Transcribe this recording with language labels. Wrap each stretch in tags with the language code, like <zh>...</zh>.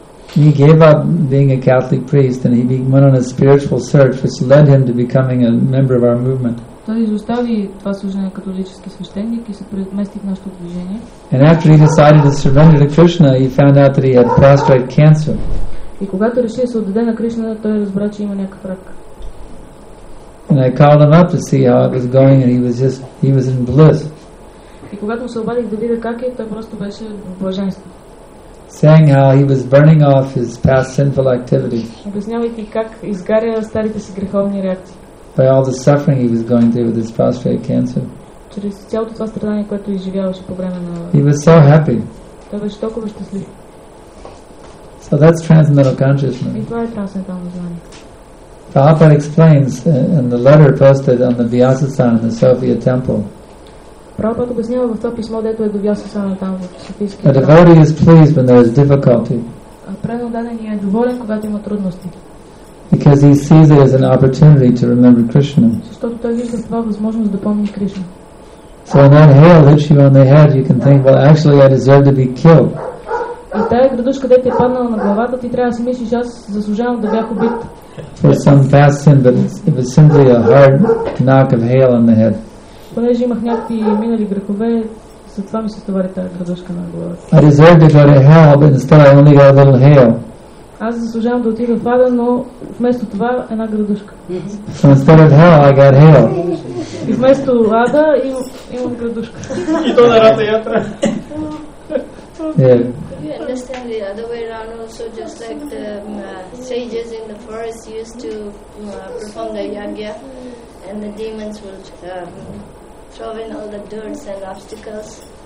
<en>He gave up being a Catholic priest and he went on a spiritual search which led him to becoming a member of our movement.</en> <bg>Той изостави това служение на католически свещеник и се премести в нашето движение.</bg> <en>And after he decided to surrender to Krishna, he found out that he had prostate cancer.</en> <bg>И когато реши да се отдаде на Кришна, той разбра, че има някакъв рак.</bg> <en>And I called him up to see how it was going and he was in bliss.</en> <bg>И когато му се обадих да видя как е, той просто беше в блаженство.</bg> <en>Saying how he was burning off his past sinful activities.</en> <bg>Обяснявайки как изгаря старите си греховни реакции.</bg> <en>By all the suffering he was going through with his prostate cancer.</en> <bg>Чрез цялото това страдание, което изживяваше по време на...</bg> <en>He was so happy.</en> <bg>Той беше толкова щастлив.</bg> <en>So that's transcendental consciousness.</en> <bg>И това е трансцендентално знание.</bg> <en>Prabhupada explains in the letter posted on the Vyasasana in the Sophia temple.</en> <bg>Prabhupada обяснява в това писмо, дето е до Vyasasana там, в Софийския.</bg> <en>A devotee is pleased when there is difficulty.</en> <bg>Предан даден е доволен, когато има трудности.</bg> <en>Because he sees it as an opportunity to remember Krishna.</en> <bg>Защото той вижда това възможност да помни Кришна.</bg> <en>So in that hail hits you on the head, you can think, well, actually, I deserve to be killed.</en> <bg>И тая градушка, където е паднала на главата, ти трябва да си мислиш, аз заслужавам да бях убит.</bg> <en>For some past sin, but it was simply a hard knock of hail on the head.</en> <bg>Понеже имах някакви минали грехове, затова ми се товари тая градушка на главата.</bg> <en>I deserve to go to hell, but instead I only got a little hail.</en> <bg>Аз заслужавам да отида в ада, но вместо това една градушка.</bg> <en>So instead of hell, I got hail.</en> <bg>И вместо ада имам градушка. И то на рата ятра.</bg> <en>Yeah. You understand the other way around also, just like the sages in the forest used to perform the yagya, and the demons would throw in all the dirts and obstacles.</en>